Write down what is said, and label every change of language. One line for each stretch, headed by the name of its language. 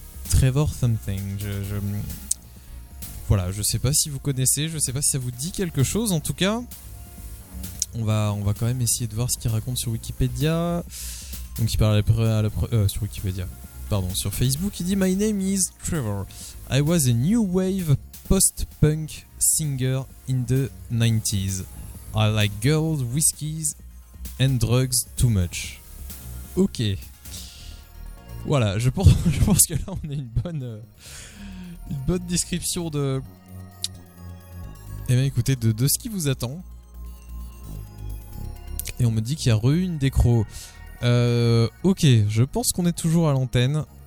French: Trevor Something. Voilà, je sais pas si vous connaissez, je sais pas si ça vous dit quelque chose. En tout cas, on va quand même essayer de voir ce qu'il raconte sur Wikipédia. Donc il parle sur Wikipédia. Pardon, sur Facebook, il dit:
English: My name is Trevor. I was a new wave post-punk singer in the 90s. I like girls, whiskeys and drugs too much. Ok.
French: Voilà, je pense que là on a une bonne description de... Eh bien écoutez, de ce qui vous attend. Et on me dit qu'il y a re une décro. Ok, je pense qu'on est toujours à l'antenne.